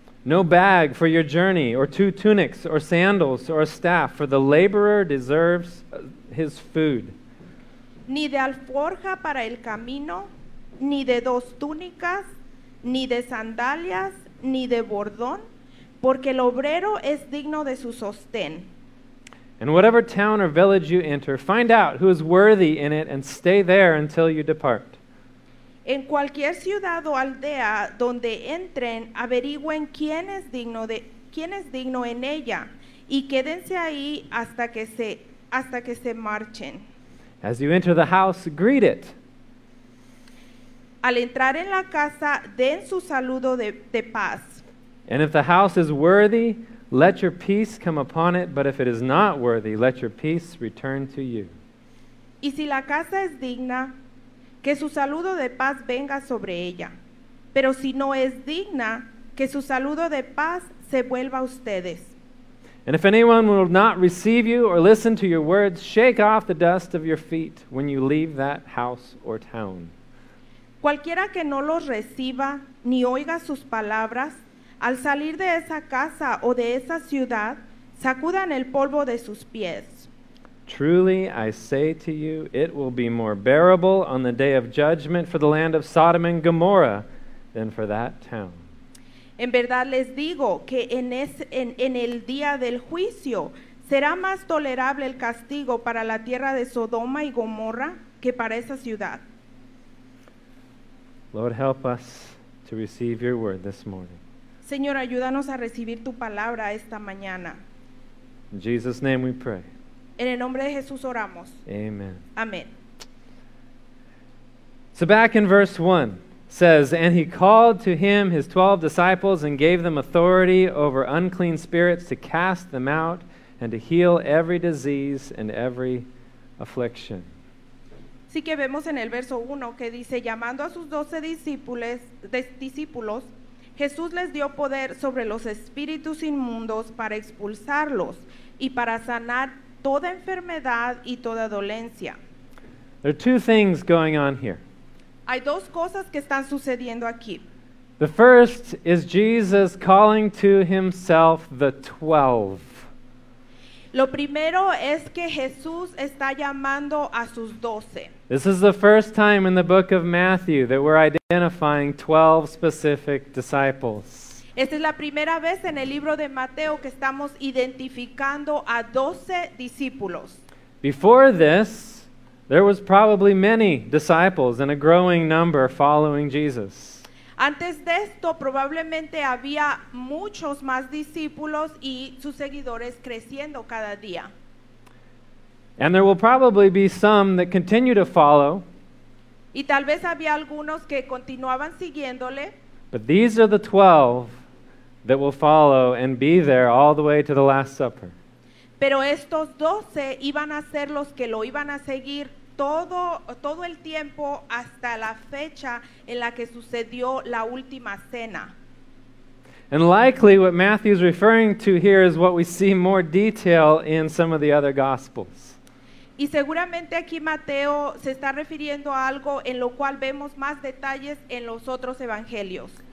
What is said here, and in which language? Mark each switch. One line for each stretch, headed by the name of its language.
English: No bag for your journey, or two tunics, or sandals, or a staff, for the laborer deserves his food.
Spanish: Ni de alforja para el camino, ni de dos túnicas, ni de sandalias, ni de bordón, porque el obrero es digno de su sostén.
English: And whatever town or village you enter, find out who is worthy in it and stay there until you depart.
Spanish: En cualquier ciudad o aldea donde entren, averigüen quién es digno en ella y quédense ahí hasta que se marchen.
English: As you enter the house, greet it.
Spanish: Al entrar en la casa, den su saludo de paz.
English: And if the house is worthy, let your peace come upon it, but if it is not worthy, let your peace return to you.
Spanish: Y si la casa es digna, que su saludo de paz venga sobre ella. Pero si no es digna, que su saludo de paz se vuelva a ustedes.
English: And if anyone will not receive you or listen to your words, shake off the dust of your feet when you leave that house or town.
Spanish: Cualquiera que no los reciba ni oiga sus palabras, al salir de esa casa o de esa ciudad, sacudan el polvo de sus pies.
English: Truly I say to you, it will be more bearable on the day of judgment for the land of Sodom and Gomorrah than for that town.
Spanish: En verdad les digo que en el día del juicio será más tolerable el castigo para la tierra de Sodoma y Gomorra que para esa ciudad.
English: Lord, help us to receive your word this morning.
Spanish: Señor, ayúdanos a recibir tu palabra esta mañana.
English: In Jesus' name we pray.
Spanish: En el nombre de Jesús oramos.
English: Amen.
Spanish: Amén.
English: So back in verse 1. Says, and he called to him his 12 disciples and gave them authority over unclean spirits to cast them out and to heal every disease and every affliction.
Spanish: Sí que vemos en el verso 1 que dice, llamando a sus 12 discípulos, Jesús les dio poder sobre los espíritus inmundos para expulsarlos y para sanar toda enfermedad y toda dolencia.
English: There are two things going on here.
Spanish: Hay dos cosas que están sucediendo aquí.
English: The first is Jesus calling to himself the 12.
Spanish: Lo primero es que Jesús está llamando a sus 12.
English: This is the first time in the book of Matthew that we're identifying 12 specific disciples.
Spanish: Esta es la primera vez en el libro de Mateo que estamos identificando a 12 discípulos.
English: Before this, there was probably many disciples and a growing number following Jesus.
Spanish: Antes de esto, probablemente había muchos más discípulos y sus seguidores creciendo cada día.
English: And there will probably be some that continue to follow.
Spanish: Y tal vez había algunos que continuaban siguiéndole.
English: But these are the 12 that will follow and be there all the way to the Last Supper.
Spanish: Pero estos 12 iban a ser los que lo iban a seguir todo el tiempo hasta la fecha en la que sucedió la última cena.
English: And likely what Matthew is referring to here is what we see more detail in some of the other gospels.
Spanish: Y seguramente aquí Mateo se está refiriendo a algo en lo cual vemos más detalles en los otros evangelios.